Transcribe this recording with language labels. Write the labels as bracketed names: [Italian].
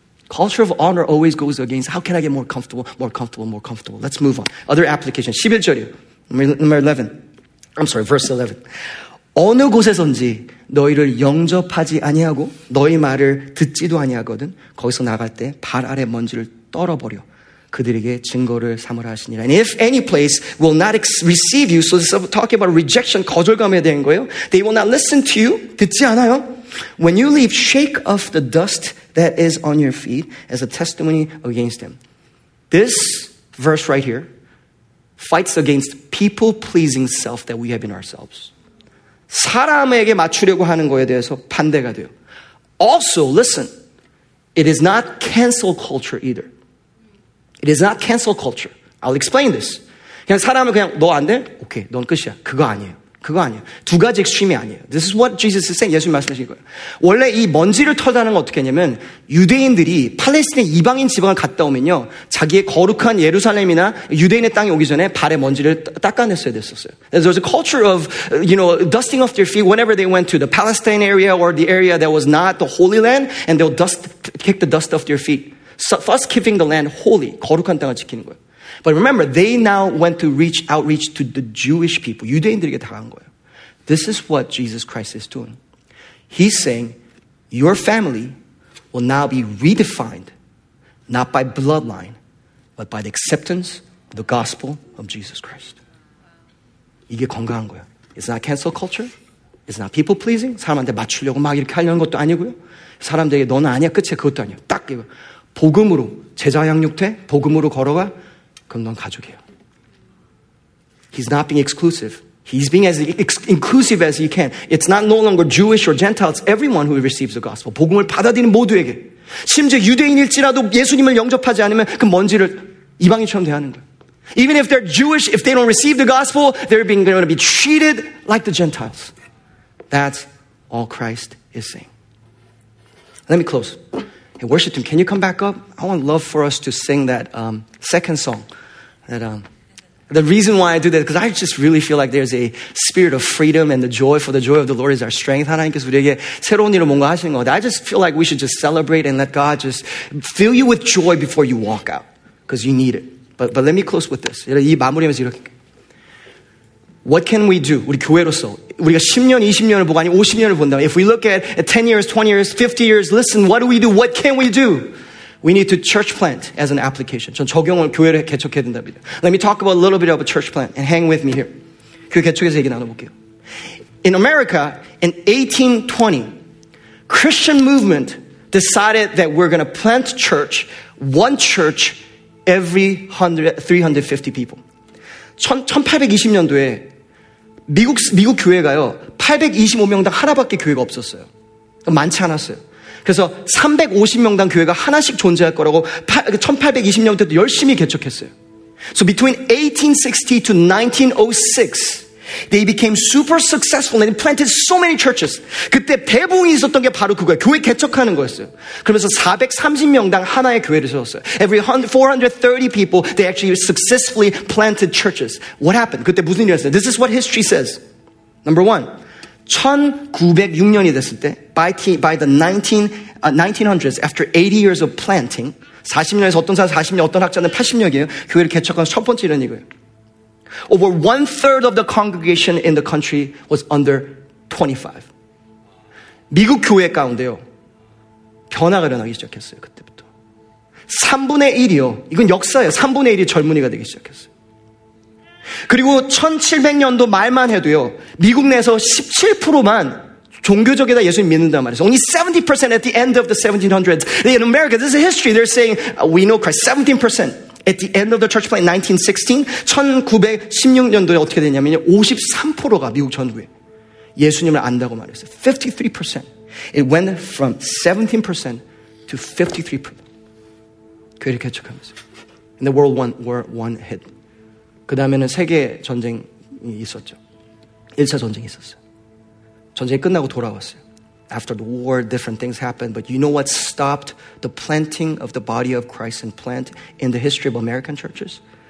[English] Culture of honor always goes against how can I get more comfortable, more comfortable, more comfortable. Let's move on. Other application. [Korean] 11절이요. [English] Number 11. I'm sorry, verse 11. [Korean] 어느 곳에선지 너희를 영접하지 아니하고 너희 말을 듣지도 아니하거든 거기서 나갈 때 발 아래 먼지를 떨어버려 그들에게 증거를 삼으라 하시니라. [English] And if any place will not receive you, so this is talking about rejection, [Korean] 거절감에 대한 거예요. [English] They will not listen to you, [Korean] 듣지 않아요. [English] When you leave, shake off the dust that is on your feet as a testimony against them. This verse right here fights against people-pleasing self that we have in ourselves. [Korean] 사람에게 맞추려고 하는 거에 대해서 반대가 돼요. [English] Also, listen, it is not cancel culture either. It is not cancel culture. I'll explain this. [Korean] 그냥 사람을 그냥 너 안 돼? 오케이, 넌 끝이야. 그거 아니에요. 그거 아니에요. 두 가지 extreme이 아니에요. [English] This is what Jesus is saying. [Korean] 예수님 말씀하신 거예요. 원래 이 먼지를 털다는 건 어떻게 하냐면 유대인들이 팔레스타인 이방인 지방을 갔다 오면요. 자기의 거룩한 예루살렘이나 유대인의 땅에 오기 전에 발에 먼지를 닦아냈어야 됐었어요. [English] There was a culture of, you know, dusting off their feet whenever they went to the Palestine area or the area that was not the Holy Land and they'll dust, kick the dust off their feet. So, thus keeping the land holy, [Korean] 거룩한 땅을 지키는 거예요. [English] But remember, they now went to reach outreach to the Jewish people. [Korean] 유대인들에게 다가간 거예요. [English] This is what Jesus Christ is doing. He's saying, your family will now be redefined, not by bloodline, but by the acceptance of the gospel of Jesus Christ. [Korean] 이게 건강한 거예요. [English] It's not cancel culture. It's not people pleasing. [Korean] 사람한테 맞추려고 막 이렇게 하려는 것도 아니고요. 사람들에게 너는 아니야, 끝이야, 그것도 아니야. 딱 이거. 복음으로, 제자 양육돼, 복음으로 걸어가, 그럼 넌 가족이에요. [English] He's not being exclusive. He's being as inclusive as he can. It's not no longer Jewish or Gentile. It's everyone who receives the gospel. [Korean] 복음을 받아들이는 모두에게. 심지어 유대인일지라도 예수님을 영접하지 않으면 그 먼지를 이방인처럼 대하는 거예요. [English] Even if they're Jewish, if they don't receive the gospel, they're being going to be treated like the Gentiles. That's all Christ is saying. Let me close. Hey, worship team, can you come back up? I would love for us to sing that second song. That the reason why I do that, because I just really feel like there's a spirit of freedom and the joy, for the joy of the Lord is our strength. [Korean] 하나님께서 우리에게 새로운 일을 뭔가 하시는 것 같아요. [English] I just feel like we should just celebrate and let God just fill you with joy before you walk out, because you need it. But let me close with this. [Korean] 이 마무리하면서 이렇게. [English] What can we do? [Korean] 우리 교회로서. 우리가 10년, 20년을 보고 아니면 50년을 본다. [English] If we look at 10 years, 20 years, 50 years, listen, what do we do? What can we do? We need to church plant as an application. [Korean] 전 적용을 교회를 개척해야 된다. [English] Let me talk about a little bit of a church plant and hang with me here. [Korean] 교회 개척에서 얘기 나눠볼게요. [English] In America, in 1820, Christian movement decided that we're going to plant church, one church, every 350 people. [Korean] 1820년도에 미국 교회가요 825명당 하나밖에 교회가 없었어요. 많지 않았어요. 그래서 350명당 교회가 하나씩 존재할 거라고 1820년부터 열심히 개척했어요. [English] So between 1860 to 1906 they became super successful and planted so many churches. [Korean] 그때 대부분이 있었던 게 바로 그거예요. 교회 개척하는 거였어요. 그러면서 430명당 하나의 교회를 세웠어요. [English] Every 430 people, they actually successfully planted churches. What happened? [Korean] 그때 무슨 일이었어요? [English] This is what history says. Number one, [Korean] 1906년이 됐을 때, [English] by the 1900s, after 80 years of planting, [Korean] 40년에서 어떤 사람 40년, 어떤 학자는 80년이에요. 교회를 개척한 첫 번째 이런 이거예요. [English] Over one third of the congregation in the country was under 25. [Korean] 미국 교회 가운데요 변화가 일어나기 시작했어요. 그때부터 3분의 1이요 이건 역사예요. 3분의 1이 젊은이가 되기 시작했어요. 그리고 1700년도 말만 해도요 미국 내에서 17%만 종교적이다 예수님 믿는단 말이에요. [English] Only 70% at the end of the 1700s. In America, this is history. They're saying we know Christ. 17%. At the end of the church plant in 1916, [Korean] 1916년도에 어떻게 되냐면요, 53%가 미국 전국에 예수님을 안다고 말했어요. 53%. [English] It went from 17% to 53%. [Korean] 교회를 개척하면서. [English] And the world won, were one hit. [Korean] 그 다음에는 세계 전쟁이 있었죠. 1차 전쟁이 있었어요. 전쟁이 끝나고 돌아왔어요. [English] after the war, different things happened. But you know what stopped the planting of the body of Christ and plant in the history of American churches?